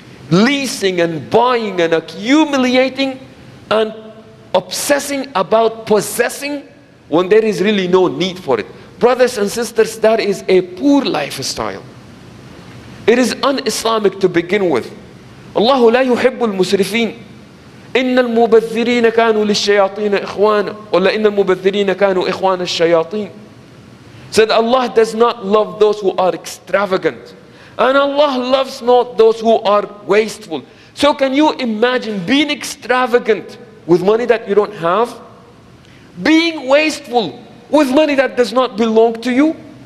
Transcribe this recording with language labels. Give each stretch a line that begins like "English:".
English: Leasing and buying and accumulating and obsessing about possessing when there is really no need for it. Brothers and sisters, that is a poor lifestyle. It is un-Islamic to begin with.
Arabic: Allah لا يحب المسرفين. إن المبذرين كانوا للشياطين إخوانا. ولا إن المبذرين كانوا إخوان الشياطين.
English: Said Allah does not love those who are extravagant. And Allah loves not those who are wasteful. So can you imagine being extravagant with money that you don't have? Being wasteful with money that does not belong to you?